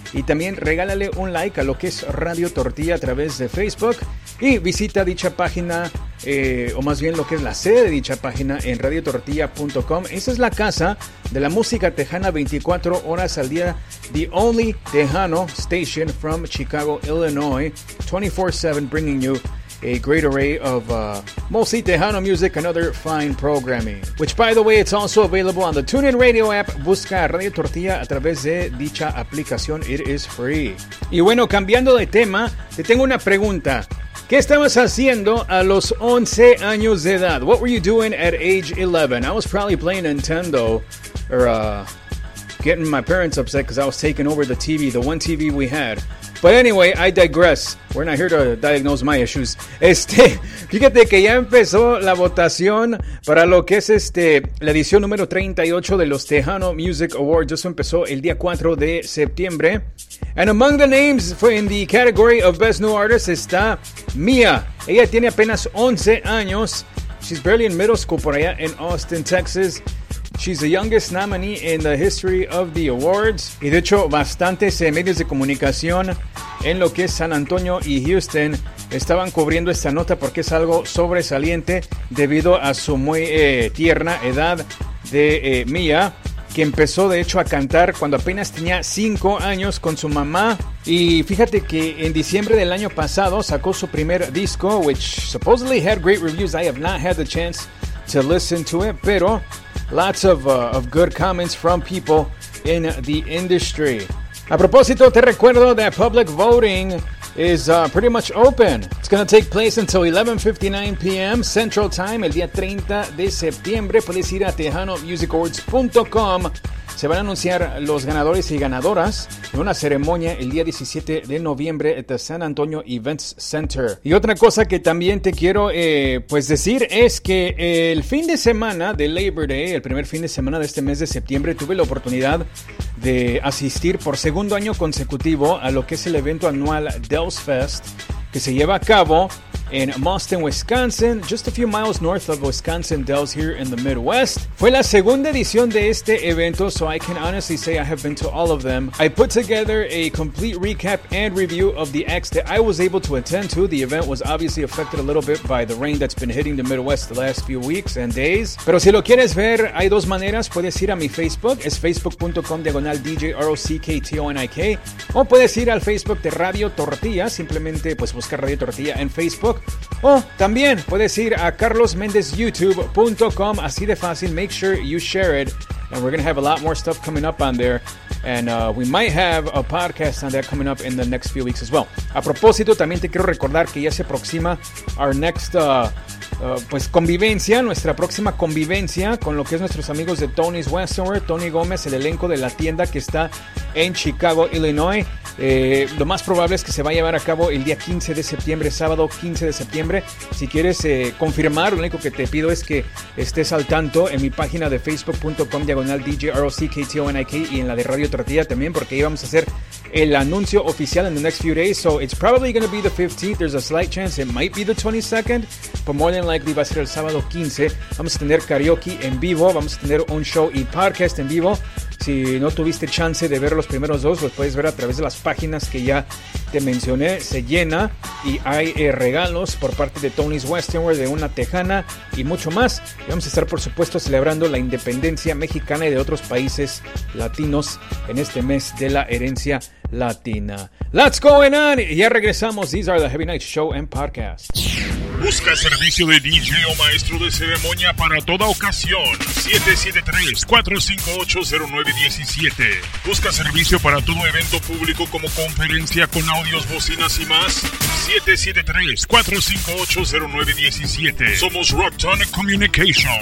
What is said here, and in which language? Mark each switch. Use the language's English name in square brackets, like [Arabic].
[Spanish] Y también regálale un like a lo que es Radio Tortilla a través de Facebook. Y visita dicha página, o más bien lo que es la sede de dicha página, en radiotortilla.com. Esa es la casa de la música tejana 24 horas al día. [English] The only Tejano station from Chicago, Illinois. 24/7 bringing you a great array of mostly Tejano music and other fine programming. Which, by the way, it's also available on the TuneIn Radio app. [Spanish] Busca Radio Tortilla a través de dicha aplicación. [English] It is free. [Spanish] Y bueno, cambiando de tema, te tengo una pregunta. ¿Qué estabas haciendo a los 11 años de edad? [English] What were you doing at age 11? I was probably playing Nintendo or getting my parents upset because I was taking over the TV, the one TV we had. But anyway, I digress. We're not here to diagnose my issues. [Spanish] Fíjate que ya empezó la votación para lo que es la edición número 38 de los Tejano Music Awards. Eso empezó el día 4 de septiembre. [English] And among the names for in the category of Best New Artist [Spanish] está [English] Mia. [Spanish] Ella tiene apenas 11 años. [English] She's barely in middle school [Spanish] por allá en Austin, Texas. [English] She's the youngest nominee in the history of the awards. [Spanish] Y de hecho, bastantes medios de comunicación en lo que es San Antonio y Houston estaban cubriendo esta nota porque es algo sobresaliente debido a su muy tierna edad de Mia, que empezó de hecho a cantar cuando apenas tenía 5 años con su mamá. Y fíjate que en diciembre del año pasado sacó su primer disco, [English] which supposedly had great reviews. I have not had the chance to listen to it, [Spanish] pero [English] lots of good comments from people in the industry. [Spanish] A propósito, te recuerdo [English] that public voting is pretty much open. It's going to take place until 11:59 p.m. [Spanish] Central Time, el día 30 de septiembre. Puedes ir a TejanoMusicAwards.com se van a anunciar los ganadores y ganadoras en una ceremonia el día 17 de noviembre [English] at the San Antonio Events Center. [Spanish] Y otra cosa que también te quiero decir es que el fin de semana de Labor Day, el primer fin de semana de este mes de septiembre, tuve la oportunidad de asistir por segundo año consecutivo a lo que es el evento anual Dells Fest, que se lleva a cabo en Mauston, Wisconsin, [English] just a few miles north of Wisconsin Dells here in the Midwest. [Spanish] Fue la segunda edición de este evento, [English] so I can honestly say I have been to all of them. I put together a complete recap and review of the acts that I was able to attend to. The event was obviously affected a little bit by the rain that's been hitting the Midwest the last few weeks and days. [Spanish] Pero si lo quieres ver, hay dos maneras. Puedes ir a mi Facebook, es facebook.com/djrocktonik, o puedes ir al Facebook de Radio Tortilla, simplemente pues buscar Radio Tortilla en Facebook. O también puedes ir a carlosmendezyoutube.com, así de fácil. [English] Make sure you share it, and we're going to have a lot more stuff coming up on there, and we might have a podcast on that coming up in the next few weeks as well. [Spanish] A propósito, también te quiero recordar que ya se aproxima [English] our next [Spanish] convivencia, nuestra próxima convivencia con lo que es nuestros amigos de Tony's Westernware, Tony Gómez, el elenco de la tienda que está en Chicago, Illinois. Lo más probable es que se va a llevar a cabo el día 15 de septiembre, sábado 15 de septiembre. Si quieres confirmar, lo único que te pido es que estés al tanto en mi página de facebook.com/djrocktonik y en la de Radio Tortilla también, porque ahí vamos a hacer el anuncio oficial [English] in the next few days. So it's probably going to be the 15th. There's a slight chance it might be the 22nd, but more than likely [Spanish] va a ser el sábado 15. Vamos a tener karaoke en vivo, vamos a tener un show y podcast en vivo. Si no tuviste chance de ver los primeros dos, los puedes ver a través de las páginas que ya te mencioné. Se llena y hay regalos por parte de Tony's Westernware, de una tejana y mucho más. Y vamos a estar, por supuesto, celebrando la independencia mexicana y de otros países latinos en este mes de la herencia latina. [English] Let's go on. [Spanish] Ya regresamos. [English] These are the Heavy Nights Show and Podcast. [Spanish] Busca servicio de DJ o maestro de ceremonia para toda ocasión. 773-458-0917. Busca servicio para todo evento público como conferencia con audios, bocinas y más. 773-458-0917. Somos Rocktonic Communication.